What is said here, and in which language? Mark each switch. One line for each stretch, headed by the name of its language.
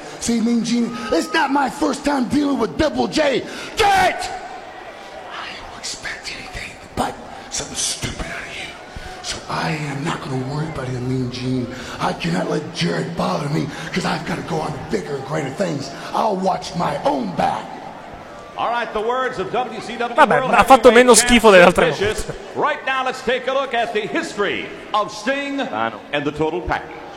English: See, Mean Gene, it's not my first time dealing with Double J. Jarrett! I don't expect anything but something stupid out of you. So I am not going to worry about him, Mean Gene. I cannot let Jarrett bother me because I've got to go on bigger and greater things. I'll watch my own back. All right, the words of WCW.
Italian: Vabbè, World ha fatto meno schifo delle altre volte.
English: Right now let's take a look at the history of Sting and the total package.